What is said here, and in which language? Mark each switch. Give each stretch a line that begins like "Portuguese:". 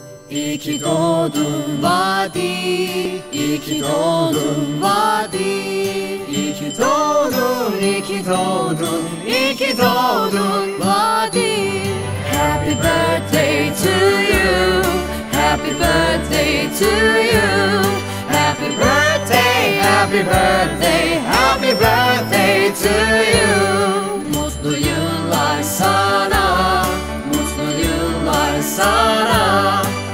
Turkish: İyi ki doğdun vadi, iyi ki doğdun vadi, iyi ki doğdun, iyi ki doğdun, iyi ki doğdun vadi.
English: Happy birthday to you, happy birthday to you, happy birthday, happy birthday, happy birthday to you.
Turkish: Mutlu yıllar sana, mutlu yıllar sana.